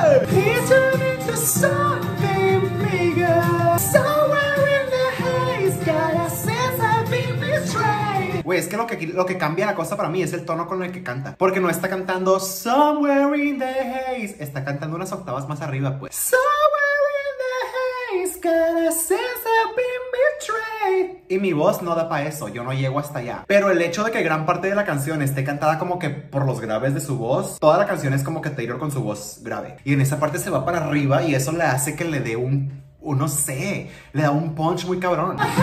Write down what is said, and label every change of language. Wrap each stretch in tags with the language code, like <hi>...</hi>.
<en>He turned into something bigger. Somewhere in the haze, got a sense of being betrayed.</en> <es>Güey, es que lo que cambia la cosa para mí es el tono con el que canta. Porque no está cantando</es> <en>somewhere in the haze.</en> <es>Está cantando unas octavas más arriba, pues.</es> <en>Somewhere in the haze, got a sense of being betrayed.</en> <es>Y mi voz no da para eso, yo no llego hasta allá. Pero el hecho de que gran parte de la canción esté cantada como que por los graves de su voz, toda la canción es como que Taylor con su voz grave. Y en esa parte se va para arriba y eso le hace que le dé un no sé, le da un punch muy cabrón.</es>